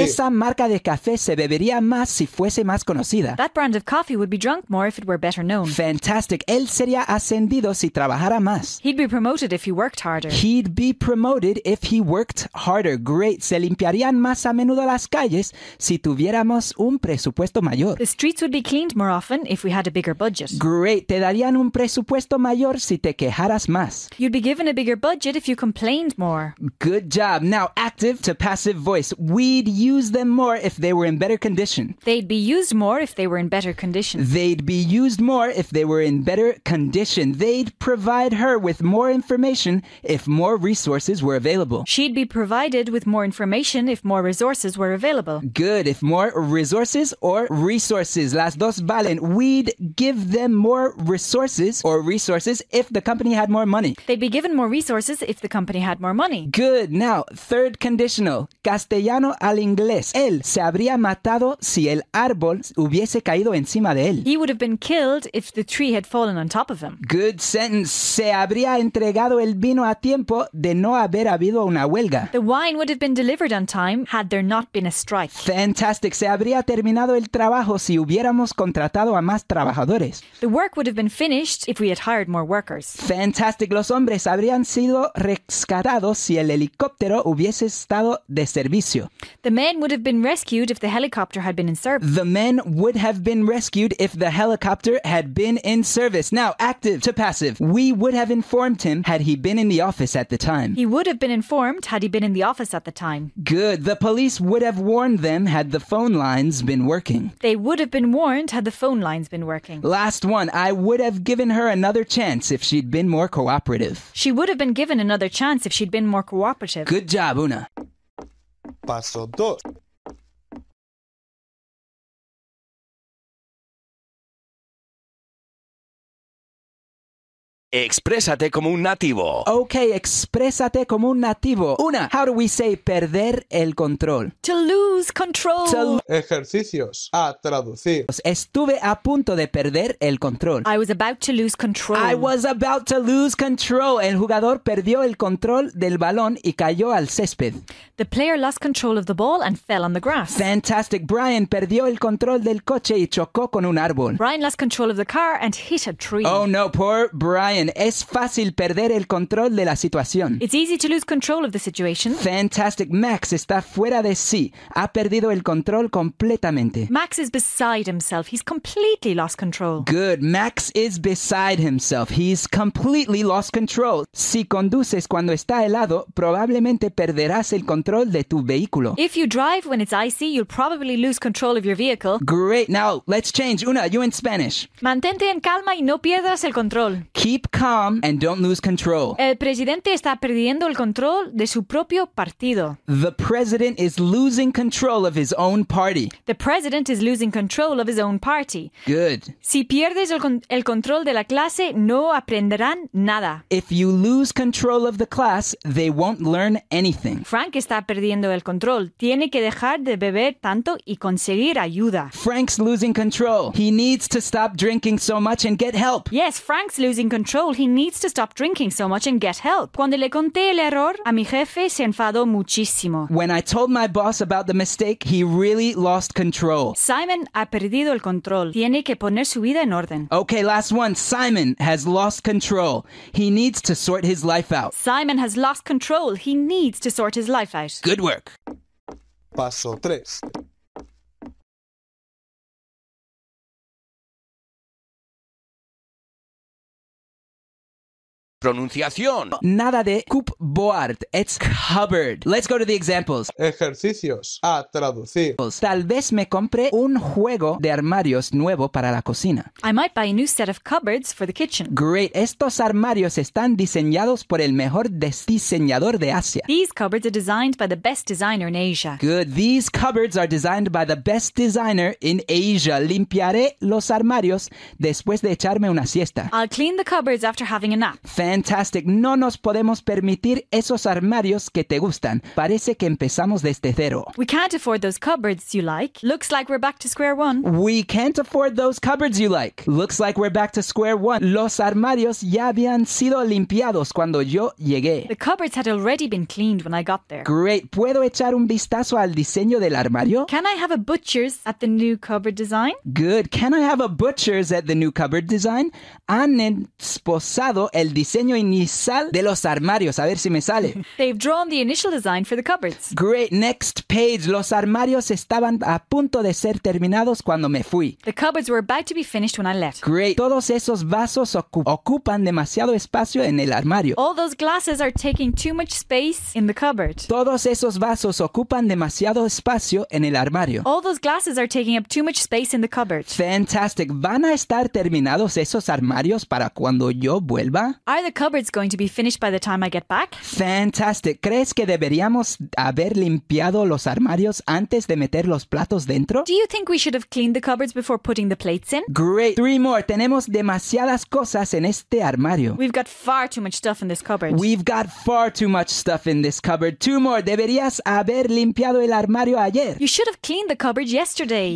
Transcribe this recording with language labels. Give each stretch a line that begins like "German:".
Spanish: Esa marca de café se bebería más si fuese más conocida.
English: That brand of coffee would be drunk more if it were better known. Fantastic.
Spanish: Él sería ascendido si trabajara más.
English: He'd be promoted if he worked harder. He'd be promoted if he worked harder. Great.
Spanish: Se limpiarían más a menudo las calles si tuviéramos un presupuesto mayor.
English: The streets would be cleaned more often if we had a bigger budget. Great.
Spanish: Te darían un presupuesto mayor si te quejaras más.
English: You'd be given a bigger budget if you complained more. Good job. Now, active to passive voice. We'd use them more if they were in better condition. They'd be used more if they were in better condition. They'd be used more if they were in better condition. They'd provide her with more information if more resources were available. She'd be provided with more information if more resources were available. Good. If more resources or resources.
Spanish: Las dos valen.
English: We'd give them more resources or resources if the company had more money. They'd be given more resources if the company had more money. Good. Now, third conditional,
Spanish: castellano al inglés. Él se habría matado si el árbol hubiese caído encima de él.
English: He would have been killed if the tree had fallen on top of him. Good sentence.
Spanish: Se habría entregado el vino a tiempo de no haber habido una huelga.
English: The wine would have been delivered on time had there not been a strike. Fantastic.
Spanish: Se habría terminado el trabajo si hubiéramos contratado a más trabajadores.
English: The work would have been finished if we had hired more workers. Fantastic.
Spanish: Los hombres habrían sido rescatados si el helicóptero hubiese estado de servicio.
English: The men would have been rescued if the helicopter had been in service. The men would have been rescued if the helicopter had been in service. Now, active to passive. We would have informed him had he been in the office at the time. He would have been informed had he been in the office at the time. Good. The police would have warned them had the phone lines been working. They would have been warned had the phone lines been working. Last one. I would have given her another chance if she'd been more cooperative. She would have been given another chance if she'd been more cooperative. Good job, Una.
Spanish: Paso 2. Exprésate como un nativo.
English: Okay,
Spanish: exprésate como un nativo. Una,
English: how do we say
Spanish: perder el control?
English: To lose control.
Spanish: Ejercicios. A. Traducir. Estuve a punto de perder el control.
English: I was about to lose control. I was about to lose control.
Spanish: El jugador perdió el control del balón y cayó al césped.
English: The player lost control of the ball and fell on the grass. Fantastic.
Spanish: Brian perdió el control del coche y chocó con un árbol.
English: Brian lost control of the car and hit a tree. Oh no, poor Brian.
Spanish: Es fácil perder el control de la situación.
English: It's easy to lose control of the situation. Fantastic.
Spanish: Max está fuera de sí. Ha perdido el control completamente.
English: Max is beside himself. He's completely lost control. Good. Max is beside himself. He's completely lost control. Si conduces cuando está helado, probablemente perderás el control de tu vehículo. If you drive when it's icy, you'll probably lose control of your vehicle. Great. Now, let's change. Una, you in Spanish.
Spanish: Mantente en calma y no pierdas el control.
English: Keep calm and don't lose control.
Spanish: El presidente está perdiendo el control de su propio partido.
English: The president is losing control of his own party. The president is losing control of his own party. Good.
Spanish: Si pierdes el control de la clase, no aprenderán nada.
English: If you lose control of the class, they won't learn anything.
Spanish: Frank está perdiendo el control. Tiene que dejar de beber tanto y conseguir ayuda.
English: Frank's losing control. He needs to stop drinking so much and get help. Yes, Frank's losing control. He needs to stop drinking so much and get help.
Spanish: Cuando le conté el error, a mi jefe se enfadó muchísimo.
English: When I told my boss about the mistake, he really lost control.
Spanish: Simon ha perdido el control. Tiene que poner su vida en orden.
English: Okay, last one. Simon has lost control. He needs to sort his life out. Simon has lost control. He needs to sort his life out. Good work.
Spanish: Paso 3. pronunciación. Nada de
English: cupboard, it's cupboard. Let's go to the examples.
Spanish: Ejercicios a traducir. Tal vez me compre un juego de armarios nuevo para la cocina.
English: I might buy a new set of cupboards for the kitchen. Great,
Spanish: estos armarios están diseñados por el mejor diseñador de Asia.
English: These cupboards are designed by the best designer in Asia. Good, these cupboards are designed by the best designer in Asia.
Spanish: Limpiaré los armarios después de echarme una siesta.
English: I'll clean the cupboards after having a nap. Fantastic.
Spanish: No nos podemos permitir esos armarios que te gustan. Parece que empezamos desde cero.
English: We can't afford those cupboards you like. Looks like we're back to square one. We can't afford those cupboards you like. Looks like we're back to square one.
Spanish: Los armarios ya habían sido limpiados cuando yo llegué.
English: The cupboards had already been cleaned when I got there. Great.
Spanish: ¿Puedo echar un vistazo al diseño del armario?
English: Can I have a butcher's at the new cupboard design? Good. Can I have a butcher's at the new cupboard design?
Spanish: Han esbozado el diseño inicial de los armarios. A ver si me sale.
English: They've drawn the initial design for the cupboards. Great. Next page.
Spanish: Los armarios estaban a punto de ser terminados cuando me fui.
English: The cupboards were about to be finished when I left. Great.
Spanish: Todos esos vasos ocupan demasiado espacio en el armario.
English: All those glasses are taking too much space in the cupboard.
Spanish: Todos esos vasos ocupan demasiado espacio en el armario.
English: All those glasses are taking up too much space in the cupboard. Fantastic.
Spanish: ¿Van a estar terminados esos armarios para cuando yo vuelva?
English: Are the cupboards going to be finished by the time I get back? Fantastic.
Spanish: ¿Crees que deberíamos haber limpiado los armarios antes de meter los platos dentro?
English: Do you think we should have cleaned the cupboards before putting the plates in? Great. Three more.
Spanish: Tenemos demasiadas cosas en este armario.
English: We've got far too much stuff in this cupboard. We've got far too much stuff in this cupboard. Two more.
Spanish: Deberías haber limpiado el armario ayer.
English: You should have cleaned the cupboard yesterday.